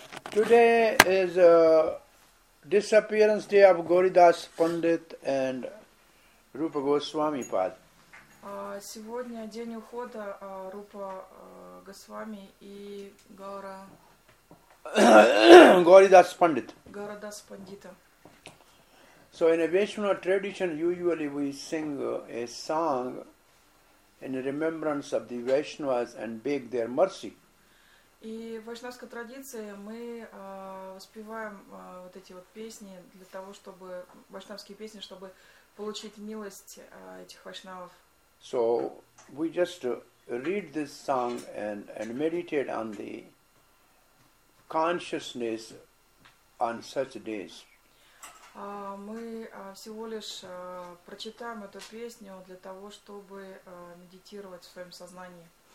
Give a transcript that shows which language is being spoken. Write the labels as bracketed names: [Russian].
[English] Today is a disappearance day of Goridas Pandit and Rupa Goswami Pad. [Russian] Сегодня день ухода Рупа Госвами и Гаура. [English] Goridas Pandit. [Russian] Goridas Pandita. [English] So in a Vaishnava tradition, usually we sing a song in remembrance of the Vaishnavas and beg their mercy. [Russian] И в вайшнавской традиции мы воспеваем вот эти вот песни для того, чтобы вайшнавские песни, чтобы получить милость этих вайшнавов. [English] So we just read this song and meditate on the consciousness on such days. [Russian] Мы всего лишь прочитаем эту песню для того, чтобы медитировать в своем сознании.